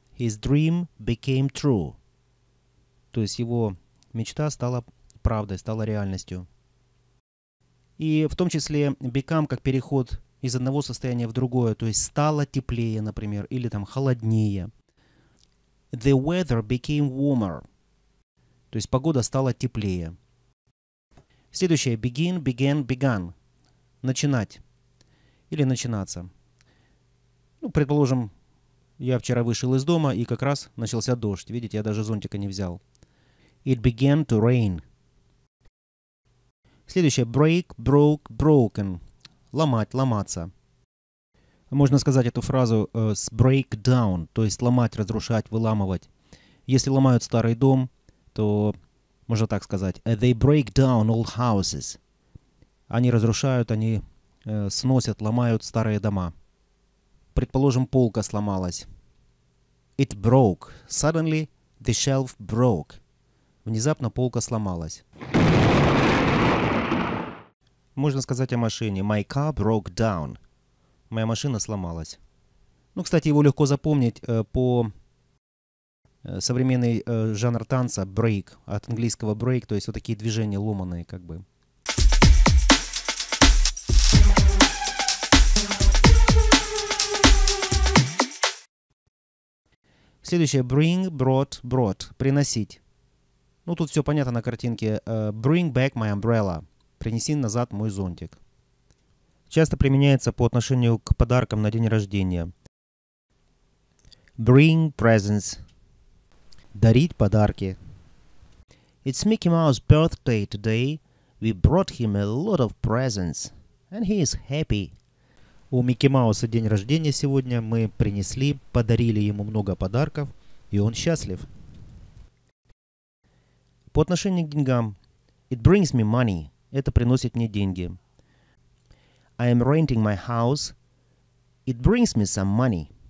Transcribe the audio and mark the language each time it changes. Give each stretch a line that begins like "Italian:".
English: His dream became true.
Russian: То есть его мечта стала правдой, стала реальностью. И в том числе become как переход из одного состояния в другое. То есть стало теплее, например, или там холоднее.
English: The weather became warmer.
Russian: То есть погода стала теплее. Следующее. Begin, began, begun. Начинать. Или начинаться. Ну, предположим, я вчера вышел из дома, и как раз начался дождь. Видите, я даже зонтика не взял.
English: It began to rain.
Russian: Следующее. Break, broke, broken. Ломать, ломаться. Можно сказать эту фразу с break down, то есть ломать, разрушать, выламывать. Если ломают старый дом, то можно так сказать.
English: They break down old houses.
Russian: Они разрушают, они сносят, ломают старые дома. Предположим, полка сломалась.
English: It broke. Suddenly the shelf broke.
Russian: Внезапно полка сломалась. Можно сказать о машине.
English: My car broke down.
Russian: Моя машина сломалась. Ну, кстати, его легко запомнить по современный жанр танца break. От английского break, то есть вот такие движения ломаные как бы. Следующее bring, brought, brought. Приносить. Ну, тут все понятно на картинке.
English: Bring back my umbrella.
Russian: Принеси назад мой зонтик. Часто применяется по отношению к подаркам на день рождения.
English: Bring presents.
Russian: Дарить подарки.
English: It's Mickey Mouse's birthday today. We brought him a lot of presents. And he is happy.
Russian: У Микки Мауса день рождения сегодня. Мы принесли, подарили ему много подарков. И он счастлив. По отношению к деньгам.
English: It brings me money.
Russian: Это приносит мне деньги.
English: I am renting my house. It brings me some money.